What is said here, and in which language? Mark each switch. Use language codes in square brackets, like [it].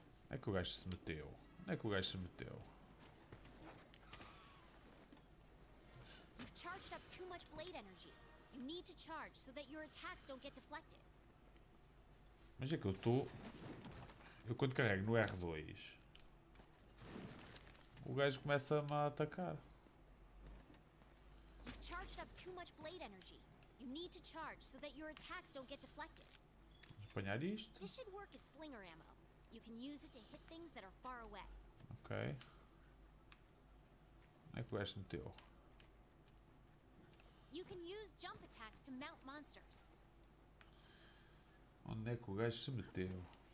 [pt] Onde é que o gajo se meteu? Onde é que o gajo se meteu? [en] You've charged up too much blade energy. You need to charge so that your attacks don't get deflected. [pt] Mas é que eu estou. Eu quando carrego no R2, o gajo começa a me atacar. [en] You've charged up too much blade energy. You need to charge so that your attacks don't get deflected. [pt] Vou apanhar isto. [en] This should work as slinger ammo. You can use it to hit things that are far away. Ok. [pt] Onde é que o gajo meteu? [en] You can use jump attacks to mount monsters. [pt] Onde é que o gajo se meteu?